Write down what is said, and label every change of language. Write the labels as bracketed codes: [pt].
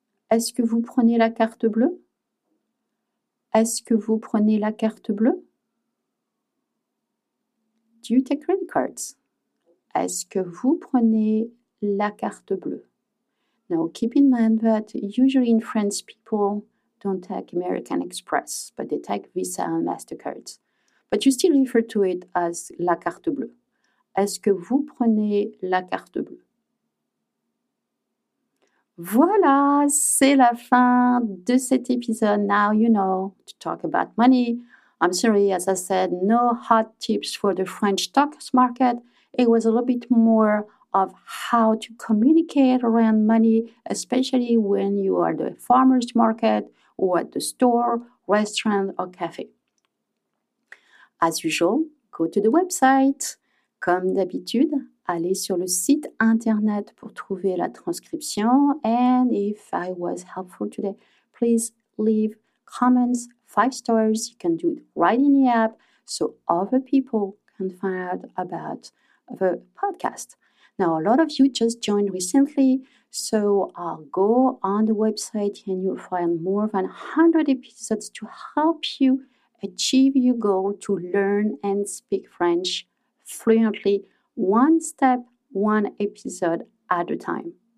[fr] Est-ce que vous prenez la carte bleue? Est-ce que vous prenez la carte bleue? [en] Do you take credit cards? [fr] Est-ce que vous prenez la carte bleue? [en] Now, keep in mind that usually in France, people don't take American Express, but they take Visa and MasterCard. But you still refer to it as la carte bleue. [fr] Est-ce que vous prenez la carte bleue? Voilà, c'est la fin de cet épisode. [en] Now you know to talk about money. I'm sorry, as I said, no hot tips for the French stock market. It was a little bit more of how to communicate around money, especially when you are at the farmer's market or at the store, restaurant, or cafe. As usual, go to the website. [fr] Comme d'habitude, allez sur le site internet pour trouver la transcription. [en] And if I was helpful today, please leave comments, 5 stars. You can do it right in the app so other people can find out about the podcast. Now, a lot of you just joined recently, so I'll go on the website and you'll find more than 100 episodes to help you achieve your goal to learn and speak French fluently, one step, one episode at a time.